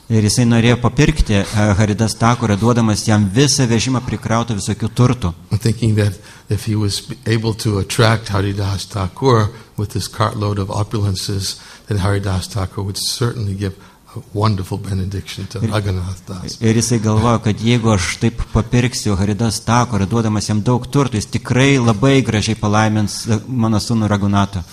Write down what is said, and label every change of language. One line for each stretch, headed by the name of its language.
Lithuanian: Ir jisai norėjo papirkti Haridas Thakurą, duodamas jam visą vežimą prikrautą visokių turtų.
English: Thinking that if he was able to attract Haridas Thakur with this cartload of opulences, then Haridas Thakur would certainly give a wonderful benediction to Raghunath Das.
Lithuanian: Ir jisai galvojo, kad jeigu aš taip papirksiu Haridas Thakur, duodamas jam daug turtų, jis tikrai labai gražiai palaimins mano sūnų Raghunatą.